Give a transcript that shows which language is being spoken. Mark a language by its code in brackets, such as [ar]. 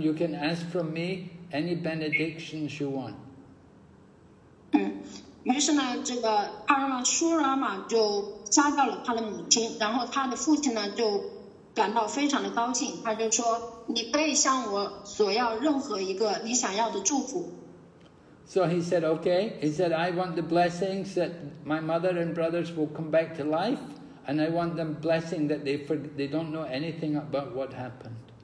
[en] You can ask from me any benedictions you want." [zh] 于是呢，这个阿拉苏拉玛就杀掉了他的母亲，然后他的父亲呢就感到非常的高兴，他就说：“你可以向我索要任何一个你想要的祝福。” [en] So he said, "Okay." He said, "I want the blessings that my mother and brothers will come back to life, and I want them blessing that they don't know anything about what happened."